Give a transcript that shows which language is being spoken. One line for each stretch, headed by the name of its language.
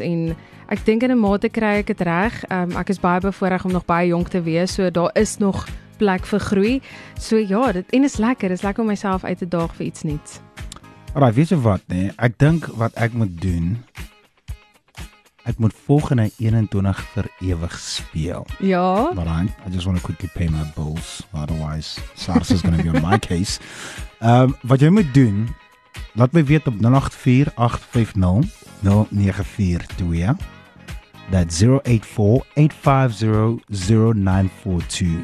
Afrikaans: En ek denk in 'n mate kry ek het reg. Ek is baie bevoorreg om nog baie jong te wees, so daar is nog plek vir groei. So ja, dit, en is lekker om myself uit te daag vir iets niets. Alraai, weet jy wat, nee? Ek denk wat ek moet doen... Ek moet volgende 21 vir ewig speel. Ja.
English: But I just want to quickly pay my bills. Otherwise, SARS is going to be on my case.
Afrikaans: Wat jy moet doen, laat my weet op
English: 084-850-0942. That's 084-850-0942.